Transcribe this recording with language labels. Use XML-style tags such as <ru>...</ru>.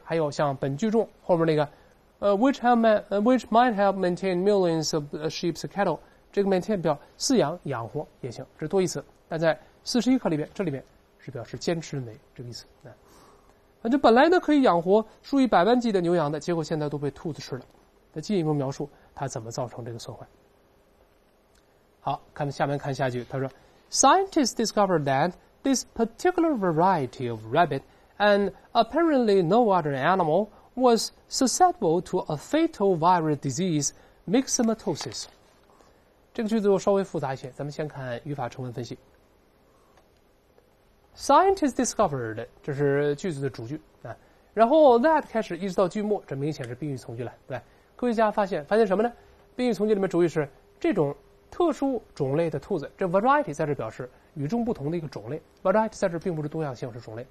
<zh>还有像本句中后面那个</zh> <en>which might help maintain millions of sheep's cattle，</en> <zh>这个 maintain 表饲养、养活也行，这多一次。但在41课里面，这里面是表示坚持认为这个意思。就本来呢可以养活数以百万计的牛羊的，结果现在都被兔子吃了。那进一步描述它怎么造成这个损坏。好，看下面看下句，他说</zh> <en>：Scientists discovered that this particular variety of rabbit and apparently no other animal was susceptible to a fatal viral disease, myxomatosis。</en> <zh>这个句子又稍微复杂一些，咱们先看语法成分分析。</zh> <en>Scientists discovered，</en> <zh>这是句子的主句啊，然后 that 开始一直到句末，这明显是宾语从句了，对吧？科学家发现什么呢？宾语从句里面主语是这种特殊种类的兔子，这 variety 在这表示与众不同的一个种类， variety 在这并不是多样性，是种类。</zh>